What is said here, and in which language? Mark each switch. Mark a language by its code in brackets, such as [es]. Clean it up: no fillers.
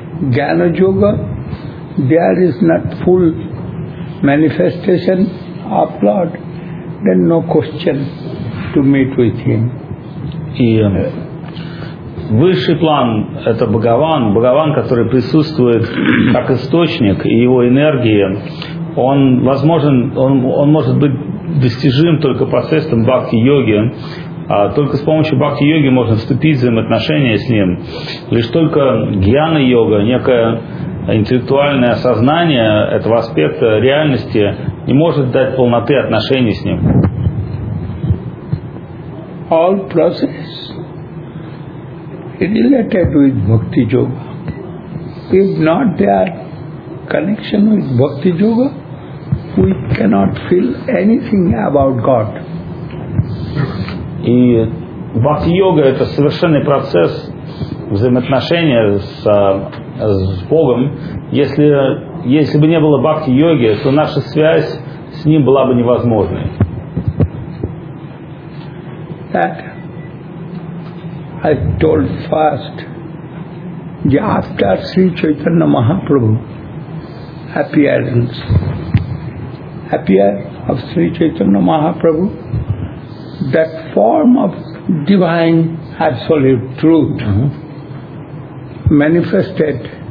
[en] Jnana yoga, there is not full manifestation of Lord, then no question to meet with him. [ru] И высший план — это Бхагаван, Бхагаван, который присутствует как источник, и его энергия, он возможен, он может быть достижим только посредством бхакти-йоги. Только с помощью бхакти-йоги можно вступить в взаимоотношения с ним. Лишь только гьяна-йога, некое интеллектуальное осознание этого аспекта реальности, не может дать полноты отношений с ним. [en] All process related with bhakti-yoga. If not there connection with bhakti-yoga, we cannot feel anything about God. [ru] И бхакти-йога — это совершенный процесс взаимоотношения с Богом. Если бы не было бхакти-йоги, то наша связь с Ним была бы невозможной. [en] That I told first, after Sri Chaitanya Mahaprabhu appear of Sri Chaitanya Mahaprabhu, that form of divine absolute truth manifested